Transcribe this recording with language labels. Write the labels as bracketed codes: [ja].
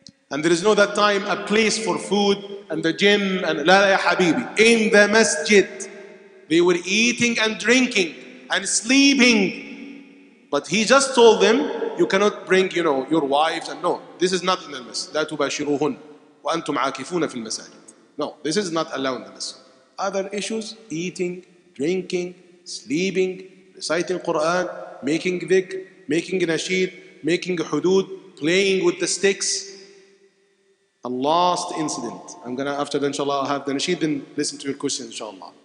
[en] And there is no that time a place for food and the gym and la la ya habibi. In the masjid. They were eating and drinking and sleeping. But he just told them, you cannot bring, you know, your wives and no. This is not in the masjid. [ar] لا تباشروهن وأنتم عاكفون في المساجد. [en] No, this is not allowed in the masjid. Other issues, eating, drinking, sleeping, reciting Quran, making dhikr, making nasheed, making hudud, playing with the sticks. A last incident. I'm gonna, after that, inshallah, I'll have the nasheed, then listen to your question, inshallah.